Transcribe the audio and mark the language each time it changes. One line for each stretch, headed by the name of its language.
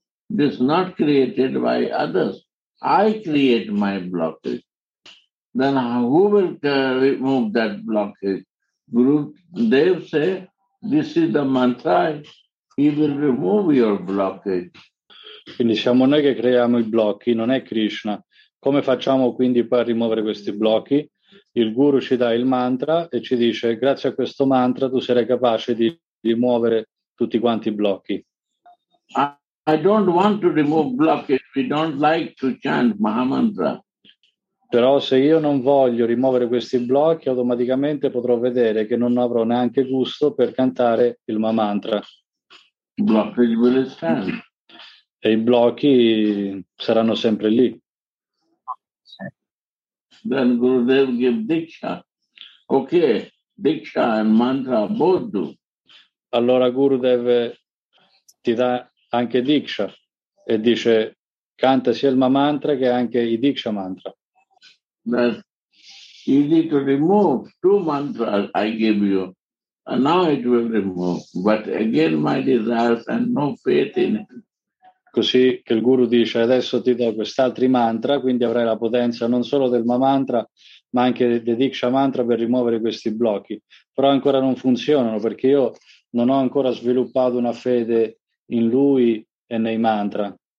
English: It is not created by others. I create my blockage. Then who will remove that blockage? Guru Dev say, this is the mantra, he will remove your blockage.
Italian: Quindi siamo noi che creiamo i blocchi, non è Krishna. Come facciamo quindi poi a rimuovere questi blocchi? Il Guru ci dà il mantra e ci dice, grazie a questo mantra tu sarai capace di rimuovere tutti quanti i blocchi.
English: I don't want to remove blockage. We don't like to chant Mahamantra.
Italian: Però se io non voglio rimuovere questi blocchi, automaticamente potrò vedere che non avrò neanche gusto per cantare il Mahamantra.
English: Blockage will stand.
Italian: E i blocchi saranno sempre lì.
English: Then Gurudev give Diksha. Okay, Diksha and Mantra both do.
Italian: Allora Gurudev ti dà anche Diksha e dice canta sia il Mahamantra che anche i Diksha Mantra.
English: That's easy to remove. Two mantras I give you. And now it will remove. But again my desires and no faith in it.
Italian: Così che il Guru dice adesso ti do quest'altri mantra, quindi avrai la potenza non solo del Mahamantra, ma anche del Diksha Mantra per rimuovere questi blocchi. Però ancora non funzionano perché io non ho ancora sviluppato una fede in lui e nei mantra.